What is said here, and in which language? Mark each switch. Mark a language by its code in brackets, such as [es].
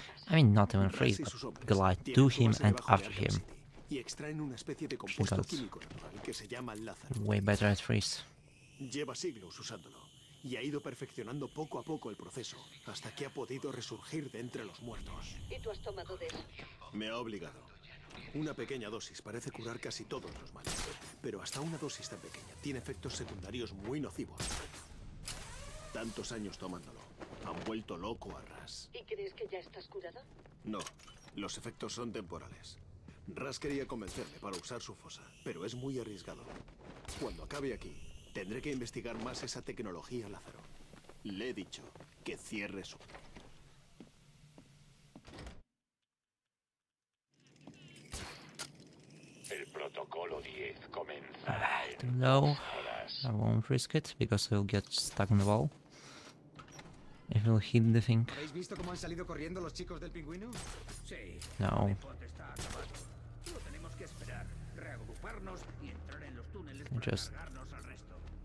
[en] I mean, not even freeze, but glide to him and after him. Because way better at freeze. [es] Lleva siglos usándolo y ha ido perfeccionando poco a poco el proceso hasta que ha podido resurgir de entre los muertos. ¿Y tú has tomado de eso? Me ha obligado. Una pequeña dosis parece curar casi todos los males, pero hasta una dosis tan pequeña tiene efectos secundarios muy nocivos. Tantos años tomándolo. Han vuelto loco a Ras. ¿Y crees que ya estás curado? No, los efectos son temporales. Ras quería convencerme para usar su fosa, pero es muy arriesgado. Cuando acabe aquí, tendré que investigar más esa tecnología Lázaro. Le he dicho que cierre su... El protocolo 10 comienza. [en] No, I won't risk it, because he'll get stuck in the wall. If he'll hit the thing. [es] ¿Habéis visto cómo han salido corriendo los chicos del pingüino? Sí. No. Solo tenemos que esperar, reagruparnos y entrar en los túneles para cargarnos al resto.